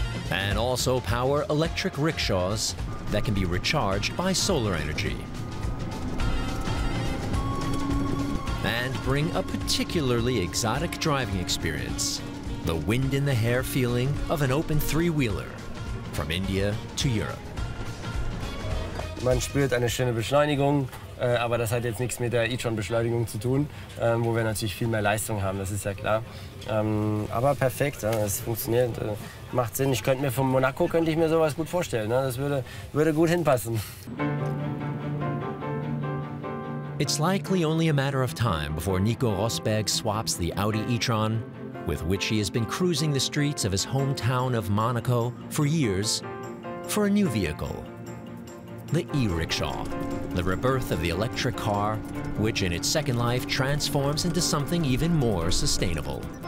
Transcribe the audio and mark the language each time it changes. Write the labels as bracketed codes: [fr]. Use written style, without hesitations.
[en] And also power electric rickshaws that can be recharged by solar energy. And bring a particularly exotic driving experience, the wind in the hair feeling of an open three-wheeler from India to Europe. [de] Man spürt eine schöne Beschleunigung, aber das hat jetzt nichts mit der e-tron-Beschleunigung zu tun, wo wir natürlich viel mehr Leistung haben, das ist ja klar. Aber perfekt, es funktioniert, macht Sinn. Ich könnte mir von Monaco könnte ich mir sowas gut vorstellen, das würde gut hinpassen. [en] It's likely only a matter of time before Nico Rosberg swaps the Audi e-tron, with which he has been cruising the streets of his hometown of Monaco for years, for a new vehicle, the e-rickshaw, the rebirth of the electric car, which in its second life transforms into something even more sustainable.